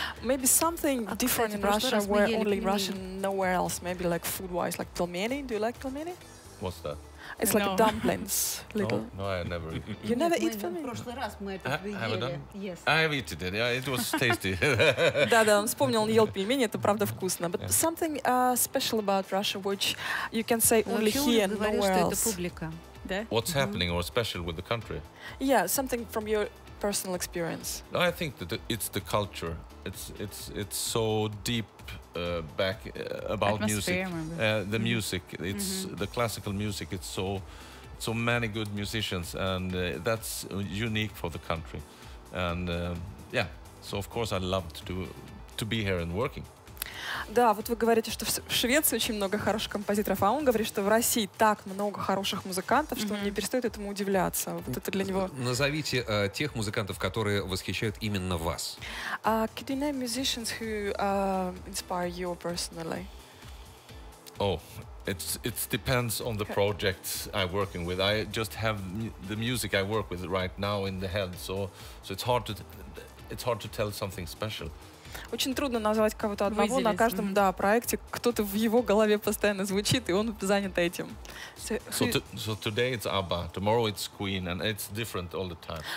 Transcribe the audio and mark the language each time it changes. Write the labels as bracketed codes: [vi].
[en] Maybe something different in Russia, where only Russian, nowhere else, maybe like food-wise, like pelmeni. Do you like pelmeni? What's that? It's like no. dumplings, little. No, I never eat. You never eat for me? [ru] В прошлый раз мы это ели. [en] Yes. I have eaten it. Yeah, it was tasty. [ru] Да-да, он вспомнил, он ел пельмени, это правда вкусно. [en] But something special about Russia, which you can say only here, nowhere else. [ru] Вообще, он говорит, что это публика. Да? [en] What's happening or special with the country? Yeah, something from your personal experience. I think that it's the culture. It's so deep back about music. The music, it's the classical music, it's so many good musicians, and that's unique for the country. And yeah, so of course I love to be here and working. [ru] Да, вот вы говорите, что в Швеции очень много хороших композиторов, а он говорит, что в России так много хороших музыкантов, что он не перестает этому удивляться. Вот это для него. Назовите тех музыкантов, которые восхищают именно вас. [en] Could you name musicians who inspire you personally? Oh, it's depends on the project I'm working with. I just have the music I work with right now in the head, so it's hard to tell something special. [ru] Очень трудно назвать кого-то одного. Выделить. На каждом проекте кто-то в его голове постоянно звучит, и он занят этим. [en] So today it's ABBA, tomorrow it's Queen, and it's different all the time.